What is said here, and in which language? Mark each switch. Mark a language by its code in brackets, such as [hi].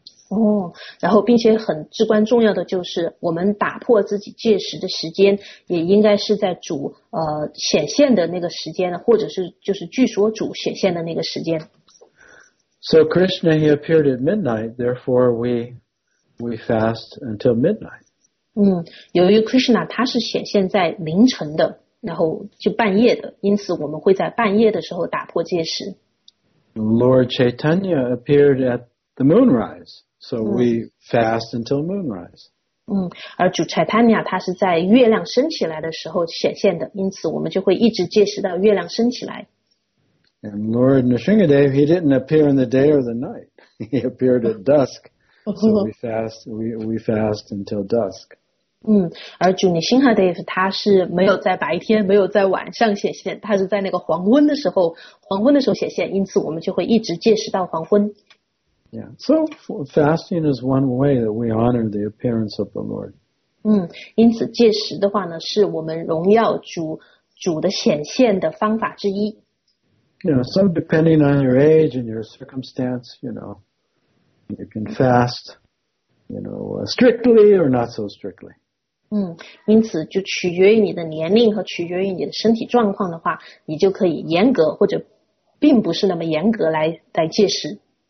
[zh] Oh, 然后并且很至关重要的就是我们打破自己戒食的时间也应该是在主显现的那个时间或者是就是据说主显现的那个时间。 [en] So Krishna, he appeared at midnight, therefore we fast until midnight. [zh] 由于 Krishna, 他是显现在凌晨的。然后就半夜的，因此我们会在半夜的时候打破戒食。 [en] Lord Chaitanya appeared at the moonrise, so we fast until moonrise. [zh] 而主 Chaitanya 他是在月亮升起来的时候显现的，因此我们就会一直戒食到月亮升起来。 [en] And Lord Nrisimhadev, he didn't appear in the day or the night. He appeared at dusk, so we fast until dusk. [zh] 而主尼辛哈德夫他是没有在白天没有在晚上显现他是在那个黄昏的时候显现因此我们就会一直戒食到黄昏 [en] Yeah, so fasting is one way that we honor the appearance of the Lord. [zh] 因此戒食的话呢是我们荣耀主的显现的方法之一 [en] Yeah, so depending on your age and your circumstance, you know, you can fast. You know, strictly or not so strictly. [zh] 因此就取决于你的年龄和取决于你的身体状况的话，你就可以严格或者并不是那么严格来戒食。